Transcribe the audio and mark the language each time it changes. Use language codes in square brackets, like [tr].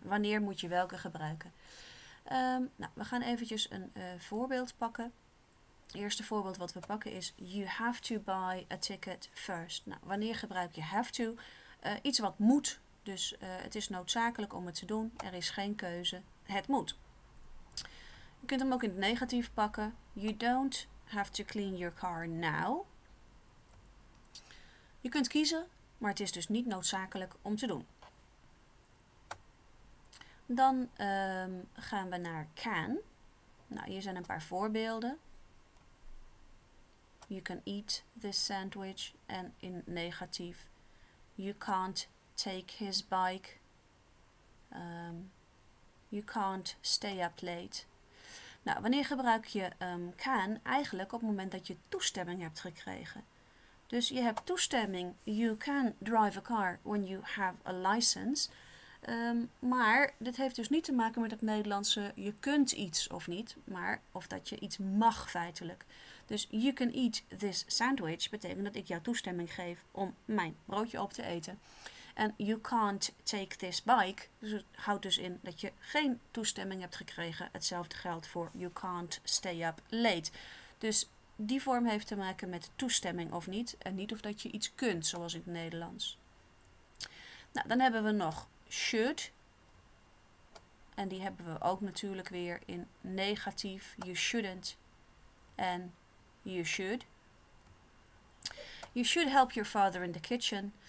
[nl] Wanneer moet je welke gebruiken? We gaan eventjes een voorbeeld pakken. Het eerste voorbeeld wat we pakken is [en] you have to buy a ticket first. [nl] Nou, wanneer gebruik je have to? Iets wat moet, dus het is noodzakelijk om het te doen. Er is geen keuze, het moet. Je kunt hem ook in het negatief pakken. [en] You don't have to clean your car now. [nl] Je kunt kiezen, maar het is dus niet noodzakelijk om te doen. Dan gaan we naar can. Nou, hier zijn een paar voorbeelden. [en] You can eat this sandwich. [nl] En in negatief. [en] You can't take his bike. You can't stay up late. [nl] Nou, wanneer gebruik je can? Eigenlijk op het moment dat je toestemming hebt gekregen. Dus je hebt toestemming. [en] You can drive a car when you have a license. [nl] Maar dit heeft dus niet te maken met het Nederlandse je kunt iets of niet, maar of dat je iets mag feitelijk. Dus [en] you can eat this sandwich [nl] betekent dat ik jou toestemming geef om mijn broodje op te eten. En [en] you can't take this bike, [nl] dus het houdt dus in dat je geen toestemming hebt gekregen. Hetzelfde geldt voor [en] you can't stay up late. [nl] Dus die vorm heeft te maken met toestemming of niet en niet of dat je iets kunt zoals in het Nederlands. Nou, dan hebben we nog should. En die hebben we ook natuurlijk weer in negatief. [en] You shouldn't. [nl] En [en] you should. You should help your father in the kitchen.